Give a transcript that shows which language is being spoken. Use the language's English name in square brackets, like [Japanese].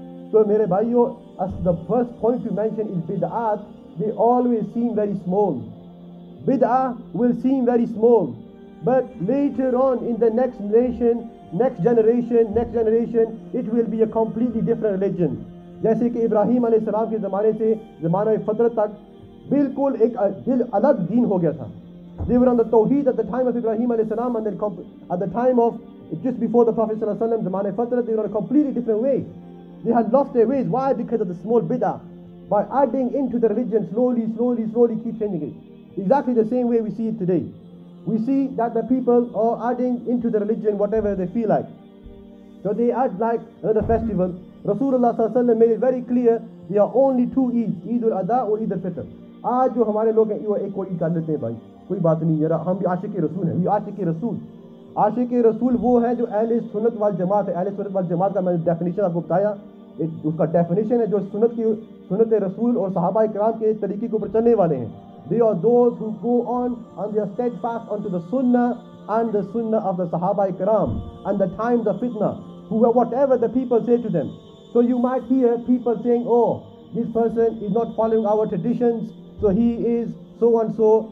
[English] So [Urdu] mere bhaiyo, [English] as the first point to mention is bid'at, they always seem very small. Bid'ah will seem very small. But later on in the next nation, next generation, it will be a completely different religion. [Urdu] جیسے کہ ابراہیم علیہ السلام کے زمانے سے زمانہ فطرت تک بالکل ایک دل الگ دین ہو گیا تھا. [English] They were on the توحید at the time of Ibrahim علیہ السلام and then at the time of just before the Prophet صلی اللہ علیہ وسلم زمانہ فطرت, they were on a completely different way. They had lost their ways. Why? Because of the small bid'ah. By adding into the religion, slowly keep changing it. Exactly the same way we see it today. We see that the people are adding into the religion whatever they feel like. So they add like another festival. Rasulullah صلی اللہ علیہ وسلم made it very clear, there are only two Eid, Eid al-Adha or Eid al-Fitr. [Urdu] آج جو ہمارے لوگ ہیں یہ ایک کو عید کر لیتے ہیں بھائی, کوئی بات نہیں یار, ہم بھی عاشق رسول ہیں. عاشق رسول وہ ہے جو اہل سنت وال جماعت ہے. اہل سنت وال جماعت کا میں نے ڈیفینیشن آپ کو بتایا, اس کا ڈیفینیشن ہے جو سنت کی سنت رسول اور صحابہ کرام کے طریقے کے اوپر چلنے والے ہیں. [English] They are those who go on their steadfast onto the sunnah and the sunnah of the Sahaba Ikram and the times of fitna, who are whatever the people say to them. So you might hear people saying, oh, this person is not following our traditions, so he is so and so.